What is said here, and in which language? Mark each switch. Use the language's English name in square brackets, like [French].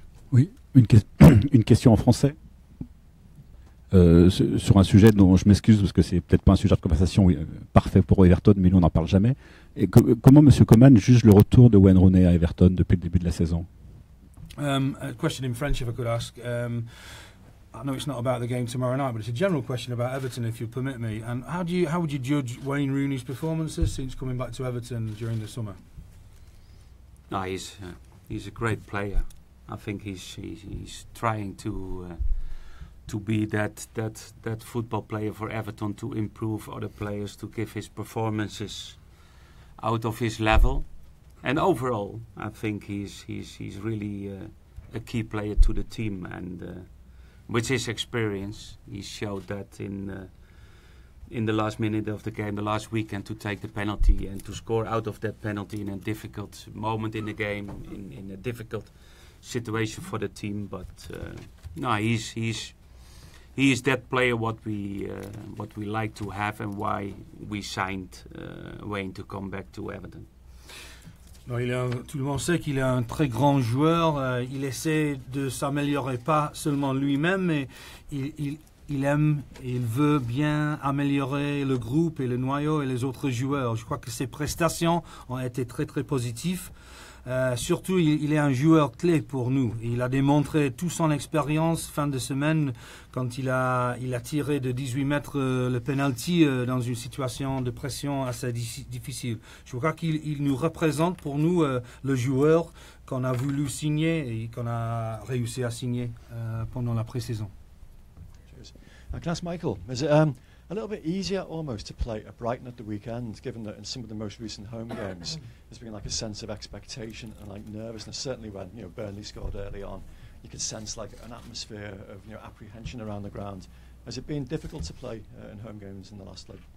[French] Oui, une question en français sur un sujet dont je m'excuse parce que c'est peut-être pas un sujet de conversation parfait pour Everton, mais nous on n'en parle jamais. Et comment M. Koeman juge le retour de Wayne Rooney à Everton depuis le début de la saison? [English] A question in French, if I could ask. I know it's not about the game tomorrow night, but it's a general question about Everton, if you permit me. And how would you judge Wayne Rooney's performances since coming back to Everton during the summer? No, he's a great player. I think he's trying to be that football player for Everton, to improve other players, to give his performances out of his level. And overall, I think he's really a key player to the team, and with his experience, he showed that in the last minute of the game, the last weekend, to take the penalty and to score out of that penalty in a difficult moment in the game, in a difficult situation for the team. But no, he is that player what we like to have, and why we signed Wayne to come back to Everton. [French] Tout le monde sait qu'il est un très grand joueur. Il essaie de s'améliorer, pas seulement lui-même, mais il aime et il veut bien améliorer le groupe et le noyau et les autres joueurs. Je crois que ses prestations ont été très, très positives. Surtout, il est un joueur clé pour nous. Il a démontré toute son expérience fin de semaine quand il a tiré de 18 mètres le penalty dans une situation de pression assez difficile. Je crois qu'il nous représente pour nous le joueur qu'on a voulu signer et qu'on a réussi à signer pendant la pré-saison. [English] Class Michael, is it a little bit easier almost to play at Brighton at the weekend, given that in some of the most recent home games there's been like a sense of expectation and like nervousness, certainly when, you know, Burnley scored early on, you could sense like an atmosphere of, you know, apprehension around the ground. Has it been difficult to play in home games in the last like